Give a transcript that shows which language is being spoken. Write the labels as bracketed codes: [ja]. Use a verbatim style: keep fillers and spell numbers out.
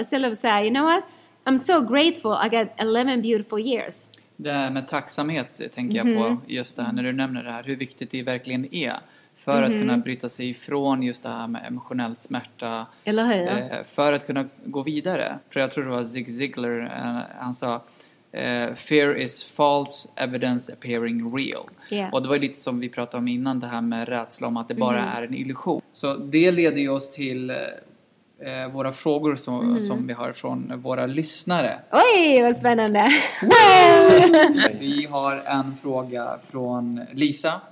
[sv] Istället för att säga, [en] you know what, I'm so grateful I got eleven beautiful years. [sv] Det här med tacksamhet tänker mm-hmm. jag på just det här när du nämner det här, hur viktigt det verkligen är för mm-hmm. att kunna bryta sig ifrån just det här med emotionell smärta. Eller hur? För att kunna gå vidare. För jag tror det var Zig Ziglar, han sa [en] Uh, fear is false evidence appearing real. Yeah. [sv] Och det var lite som vi pratade om innan, det här med rädsla om att det bara mm. är en illusion. Så det leder oss till uh, våra frågor som, mm. som vi har från våra lyssnare. Oj, vad spännande! Vi har en fråga från Lisa.